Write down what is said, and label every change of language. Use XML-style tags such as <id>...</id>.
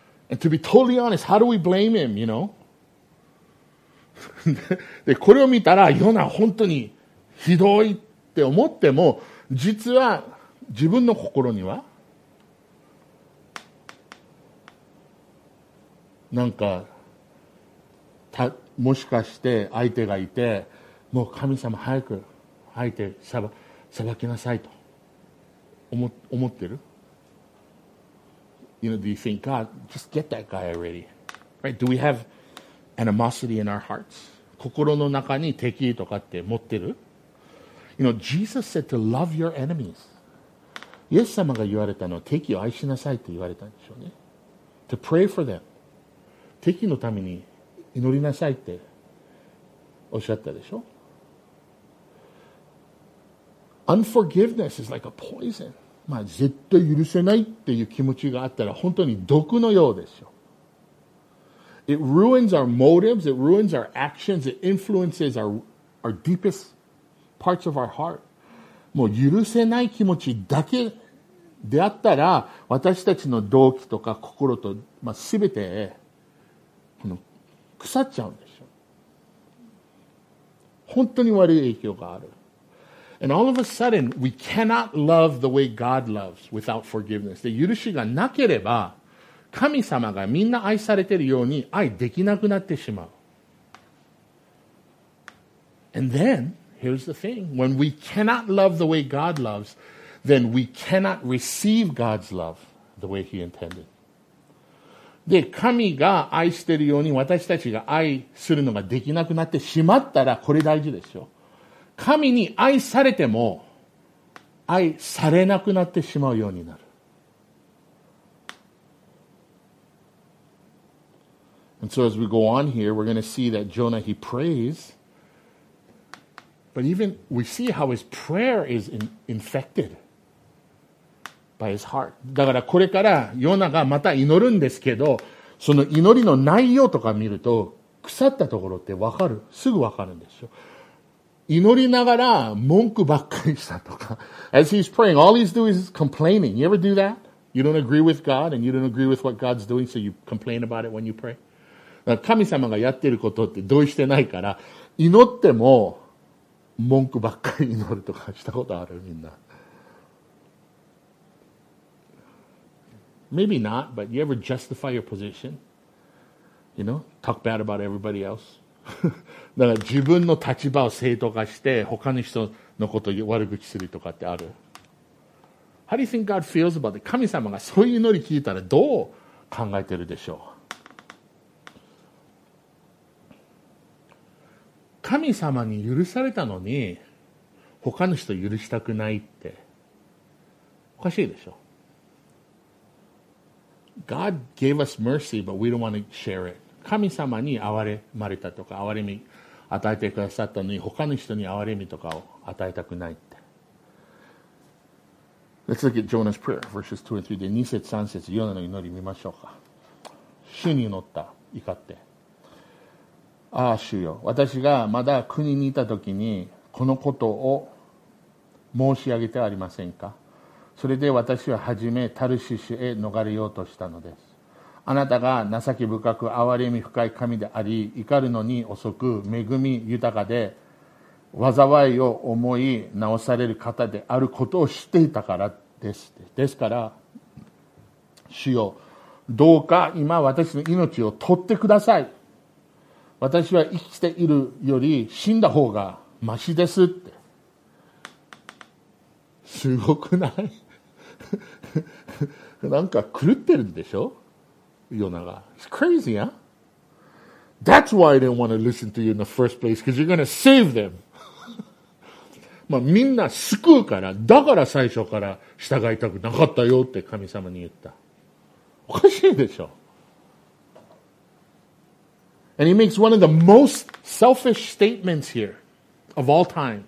<en>And to be totally honest, how do we blame him, you know?</en> <ja>で、これを見たら、ヨナ本当にひどいって思っても、実は自分の心にはなんかもしかして相手がいて、もう神様早く相手裁きなさいと思ってる。</ja> <en>You know, do you think, God, just get that guy already, right? Do we have animosity in our hearts?</en> <ja>心の中に敵意とかって持ってる？</ja> <en>You know, Jesus said to love your enemies.</en> <ja>イエス様が言われたのは、敵を愛しなさいって言われたんでしょうね。</ja> <en>To pray for them.</en> <ja>敵のために祈りなさいってっしゃったでしょ。</ja> <en>Unforgiveness is like a poison。</en> <ja>まあ絶対許せないっていう気持ちがあったら本当に毒のようですよ。</ja> <en>It ruins our motives, it ruins our actions, it influences our deepest parts of our heart。</en> <ja>もう許せない気持ちだけであったら私たちの動機とか心と、まあ、全てこの腐っちゃうんですよ。本当に悪い影響がある。</ja> <en>And all of a sudden we cannot love the way God loves without forgiveness。</en> <ja>で許しがなければ神様がみんな愛されているように愛できなくなってしまう。</ja> <en>And then here's the thing。 When we cannot love the way God lovesThen we cannot receive God's love the way He intended.</en> <ja>で、神が愛しているように私たちが愛するのができなくなってしまったら、これ大事ですよ。神に愛されても愛されなくなってしまうようになる。</ja> <en>And so as we go on here, we're going to see that Jonah, he prays. But even we see how his prayer is infected. By his heart.</en> <ja>だからこれからヨナがまた祈るんですけど、その祈りの内容とか見ると腐ったところって分かる、すぐ分かるんですよ。祈りながら文句ばっかりしたとか。</ja> <en>As he's praying, all he's doing is complaining. You ever do that? You don't agree with God and you don't agree with what God's doing, so you complain about it when you pray.</en> <ja>神様がやってることって同意してないから祈っても文句ばっかり祈るとかしたことある、みんな。</ja> <en>Maybe not, but you ever justify your position? You know, talk bad about everybody else?</en> <ja>だから自分の立場を正当化して他の人のことを悪口するとかってある。</ja> <en>How do you think God feels about it?</en> <ja>神様がそういう祈り聞いたらどう考えてるでしょう。神様に許されたのに他の人許したくないっておかしいでしょ。</ja> <en>God gave us mercy, but we don't want to share it.</en> <ja>神様に憐れまれたとか憐れみ与えてくださったのに他の人に憐れみとかを与えたくないって。</ja> <en>Let's look at Jonah's prayer, verses 2 and 3.</en> <ja>で2節3節ヨナの祈り見ましょうか。主に祈った、怒って、ああ主よ、私がまだ国にいた時にこのことを申し上げてはありませんか。それで私は初めタルシシへ逃れようとしたのです。あなたが情け深く憐れみ深い神であり、怒るのに遅く恵み豊かで災いを思い直される方であることを知っていたからです。ですから主よ、どうか今私の命を取ってください。私は生きているより死んだ方がマシです。ってすごくない? なんか狂ってるんでしょ? ヨナが。</ja> <en>It's crazy, huh? That's why I didn't want to listen to you in the first place, because you're going to save them.</en> <ja>まあみんな救うから、だから最初から従いたくなかったよって神様に言った。おかしいでしょ?</ja> <en>And he makes one of the most selfish statements here of all time.</en>